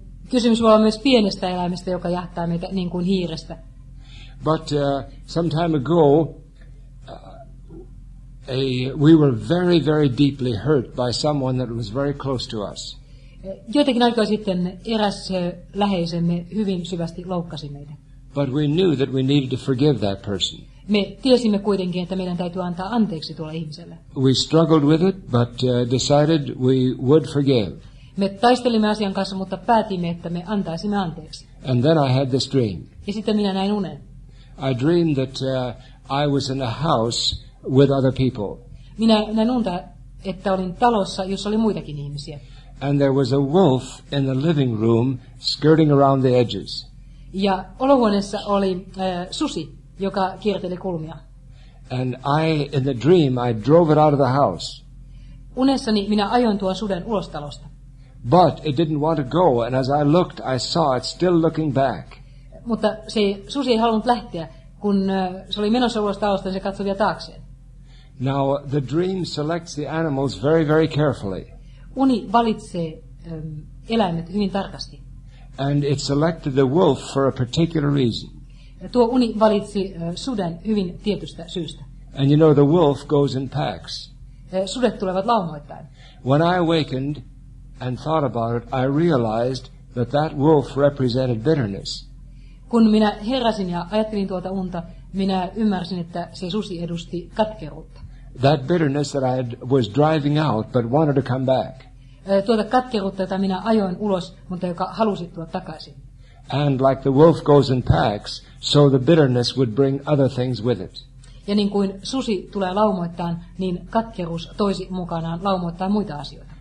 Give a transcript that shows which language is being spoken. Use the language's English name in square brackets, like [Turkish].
[Finnish] Kysymys voi olla myös pienestä eläimestä, joka jahtaa meitä, niin kuin hiirestä. [English] But some time ago we were very very deeply hurt by someone that was very close to us. [Finnish] Joitakin aikaa sitten eräs läheisemme hyvin syvästi loukkasi meitä. [English] But we knew that we needed to forgive that person. [Finnish] Me tiesimme kuitenkin, että meidän täytyy antaa anteeksi tuolle ihmiselle. [English] We struggled with it, but decided we would forgive. [Finnish] Me taistelimme asian kanssa, mutta päätimme, että me antaisimme anteeksi. [English] And then I had this dream. [Finnish] Ja sitten minä näin unen. [English] I dreamed that I was in a house with other people. [Finnish] Minä näin unta, että olin talossa, jossa oli muitakin ihmisiä. [English] And there was a wolf in the living room skirting around the edges. [Finnish] Ja olohuoneessa oli susi, joka kierteli kulmia. [English] And I, in the dream, I drove it out of the house. [Finnish] Unessani minä ajoin tuon suden ulos talosta. [English] But it didn't want to go, and as I looked, I saw it still looking back. [Finnish] Mutta se susi ei halunnut lähteä, kun se oli menossa ulos talosta, se katsoi vielä taakseen. [English] Now, the dream selects the animals very, very carefully. [Finnish] Uni valitsee eläimet hyvin tarkasti. [English] And it selected the wolf for a particular reason. [Finnish] Tuo uni valitsi suden hyvin tietystä syystä. [English] And you know the wolf goes in packs. [Finnish] Sudet tulevat laumoittain. [English] When I awakened and thought about it, I realized that that wolf represented bitterness. [Finnish] Kun minä heräsin ja ajattelin tuota unta, minä ymmärsin, että se susi edusti katkeruutta. [English] That bitterness that I was driving out, but wanted to come back. [Finnish] Tuota katkeruutta, jota minä ajoin ulos, mutta joka halusi tulla takaisin. [English] And like the wolf goes in packs, so the bitterness would bring other things with it. [Finnish] Ja niin kuin susi tulee laumoittaan, niin katkeruus toisi mukanaan laumoittaa muita asioita.